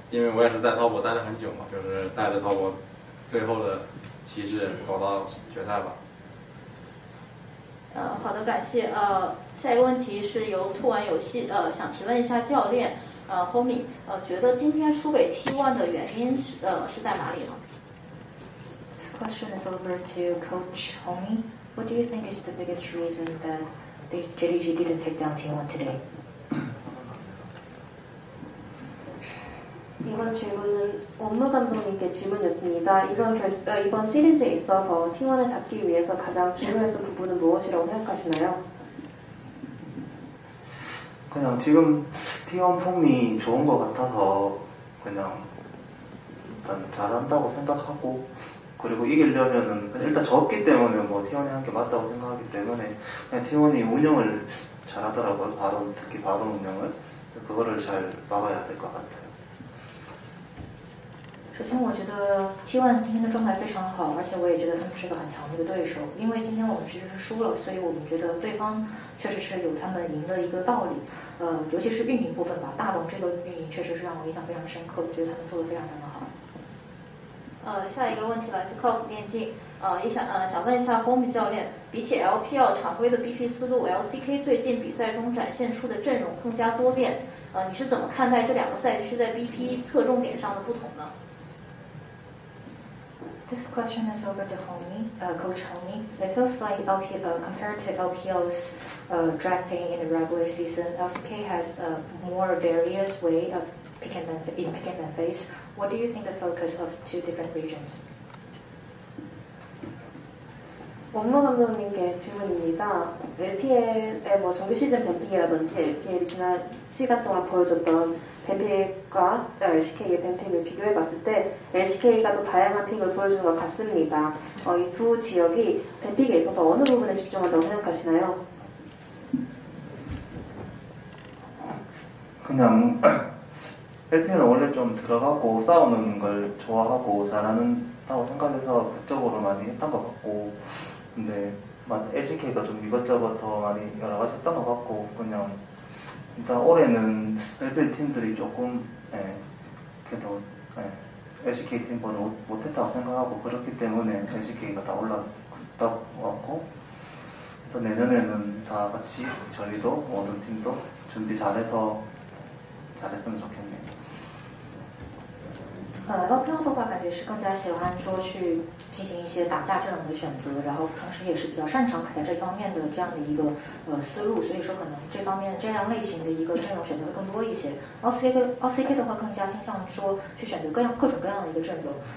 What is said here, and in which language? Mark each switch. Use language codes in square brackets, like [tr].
[zh] 因为我也是在滔博待了很久嘛，就是带着滔博最后的旗帜走到决赛吧。好的，感谢。下一个问题是由兔玩游戏想提问一下教练Homie， 觉得今天输给 T1 的原因是在哪里呢？ [en] This question is over to Coach Homie. What do you think is the biggest reason that the JDG didn't take down T1 today? [ko] 이번 질문은 원무 감독님께 질문이었습니다. 이번 시리즈에 있어서 T1을 잡기 위해서 가장 중요했던 부분은 무엇이라고 생각하시나요? 그냥 지금 T1 폼이 좋은 것 같아서 그냥 일단 잘한다고 생각하고 그리고 이기려면은 일단 졌기 때문에 뭐 T1이 한 게 맞다고 생각하기 때문에 그냥 T1이 운영을 잘하더라고요. 특히 바로 운영을 그거를 잘 막아야 될 것 같아요. [zh] 首先，我觉得 T1 今天的状态非常好，而且我也觉得他们是一个很强的一个对手。因为今天我们其实是输了，所以我们觉得对方确实是有他们赢的一个道理。尤其是运营部分吧，大龙这个运营确实是让我印象非常深刻，觉得他们做得非常非常好。下一个问题来自 COS 电竞，想问一下 Homie 教练，比起 LPL 常规的 BP 思路 ，LCK 最近比赛中展现出的阵容更加多变。你是怎么看待这两个赛区在 BP 侧重点上的不同呢？ [en] This question is over to Homie, Coach Homie. It feels like compared to LPL's drafting in the regular season, LCK has a more various way of picking their face. What do you think the focus of two different regions? [ko] 원무 감독님께 질문입니다. LPL의 뭐 정규 시즌 뱀픽이라든지 LPL이 지난 시간 동안 보여줬던 뱀픽과 LCK의 뱀픽을 비교해봤을 때 LCK가 더 다양한 픽을 보여준 것 같습니다. 이 두 지역이 뱀픽에 있어서 어느 부분에 집중한다고 생각하시나요? 그냥 LPL은 원래 좀 들어가고 싸우는 걸 좋아하고 잘한다고 생각해서 그쪽으로 많이 했던 것 같고 근데 맞아, LCK가 좀 이것저것 더 많이 여러 가지 했던 것 같고 그냥 일단 올해는 LPL 팀들이 조금 그래도 LCK 팀보다 못했다고 생각하고 그렇기 때문에 LCK가 다 올라갔다고 같고 그래서 내년에는 다 같이 저희도 모든 팀도 준비 잘해서 잘했으면 좋겠네요. [zh] LPL 的话感觉是更加喜欢说去进行一些打架这种的选择，然后同时也是比较擅长打架这方面的这样的一个思路，所以说可能这方面这样类型的一个阵容选择会更多一些。 LCK 的话更加倾向说去选择各种各样的一个阵容。